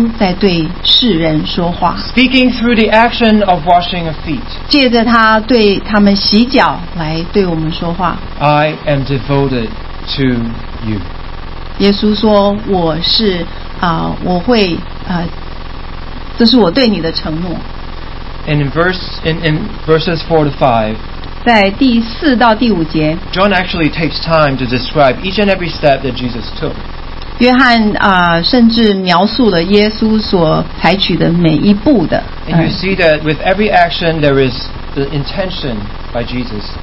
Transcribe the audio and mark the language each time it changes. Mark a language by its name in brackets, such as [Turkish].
[Chinese] 我们看到在这里神借着耶稣在对世人说话。 [English] Speaking through the action of washing of feet. [Chinese] 借着他对他们洗脚来对我们说话。 [English] I am devoted to you. [Chinese] 耶稣说我是, 我会, 这是我对你的承诺。 [English] And in verses 4 to 5, [Chinese] 在第四到第五节, [English] John actually takes time to describe each and every step that Jesus took. [Chinese] 约翰, 甚至描述了耶稣所采取的每一步的, [English] and you see that with every action there is the intention by Jesus.